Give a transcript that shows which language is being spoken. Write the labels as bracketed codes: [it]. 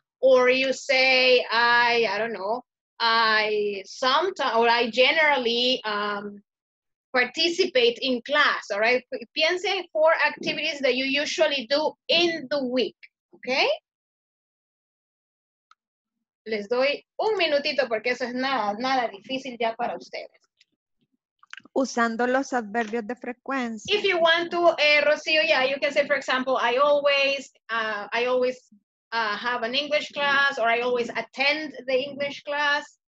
[en] Or you say, I generally participate in class, all right? [es] Piense [en] four activities that you usually do in the week, okay? [es] Les doy un minutito porque eso es nada difícil ya para ustedes. Usando los adverbios de frecuencia. [en] If you want to, Rocío, yeah, you can say, for example, I always have an English class, or I always attend the English class.